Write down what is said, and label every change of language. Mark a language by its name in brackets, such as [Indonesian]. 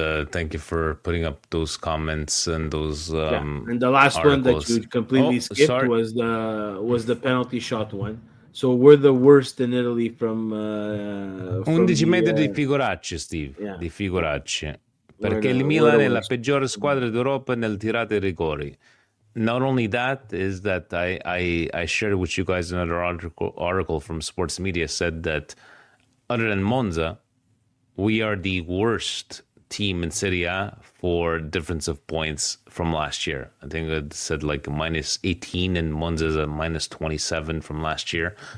[English] Thank you for putting up those comments and those And the last articles. One that you completely skipped was the penalty shot one. So we're the worst in Italy from [Italian] 11 metri di figuracce, Steve. [English] Yeah. [Italian] Di figuracce. Perché il Milan è la peggiore squadra d'Europa nel tirare i rigori. [English] Not only that, is that I shared with you guys another article from Sports Media said that other than Monza, we are the worst team in Serie A for difference of points from last year. I think it said like minus 18 and Monza's a minus 27 from last year.